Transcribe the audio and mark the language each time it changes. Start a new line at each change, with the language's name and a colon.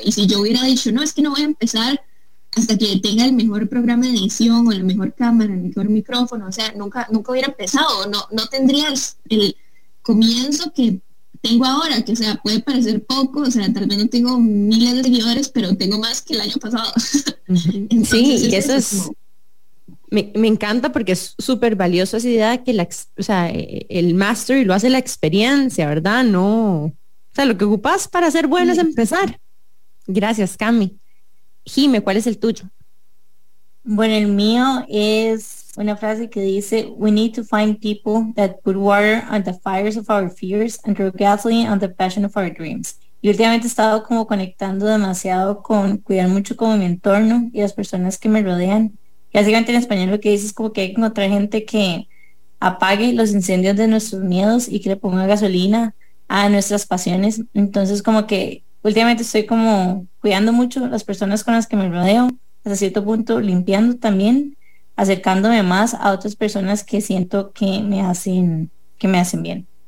Spanish: Y si yo hubiera dicho, no, es que no voy a empezar hasta que tenga el mejor programa de edición o la mejor cámara, el mejor micrófono, o sea, nunca hubiera empezado, no tendría el comienzo que tengo ahora, que, o sea, puede parecer poco, o sea, tal vez no tengo miles de seguidores, pero tengo más que el año pasado. Entonces, sí, y eso es como, Me encanta, porque es súper valioso esa idea de que el mastery lo hace la experiencia, ¿verdad? No, o sea, lo que ocupas para ser bueno, sí, es empezar. Gracias, Cami. Jime, ¿cuál es el tuyo? Bueno, el mío es una frase que dice,
English: we need to find people that put water on the fires of our fears and throw gasoline on the passion of our dreams.
Spanish: Y últimamente he estado como conectando demasiado con cuidar mucho como mi entorno y las personas que me rodean. Y básicamente en español lo que dice es como que hay que encontrar gente que apague los incendios de nuestros miedos y que le ponga gasolina a nuestras pasiones. Entonces, como que últimamente estoy como cuidando mucho las personas con las que me rodeo, hasta cierto punto limpiando también, acercándome más a otras personas que siento que me hacen bien.